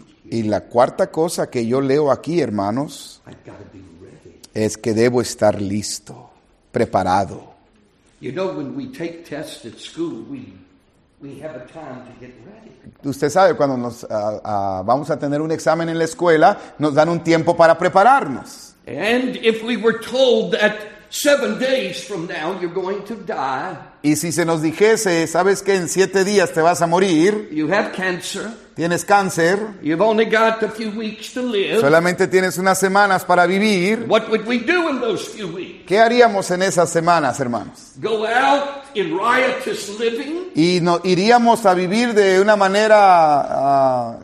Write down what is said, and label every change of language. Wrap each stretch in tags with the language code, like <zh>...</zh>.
<es>Y la cuarta cosa que yo leo aquí, hermanos, es que debo estar listo, preparado.</es> <en>You know, when we take tests at school, we have a time to get ready.</en> <es>Usted sabe, cuando nos vamos a tener un examen en la escuela, nos dan un tiempo para prepararnos.</es> <en>And if we were told that 7 days from now you're going to die.</en> <es>Y si se nos dijese, ¿sabes qué? En 7 días te vas a morir.</es> <en>You have cancer.</en> <es>Tienes cáncer.</es> <en>You've only got a few weeks to live.</en> <es>Solamente tienes unas semanas para vivir.</es> <en>What would we do in those few weeks?</en> <es>¿Qué haríamos en esas semanas, hermanos?</es> <en>Go out in riotous living.</en> <es>Y no, iríamos a vivir de una manera</es>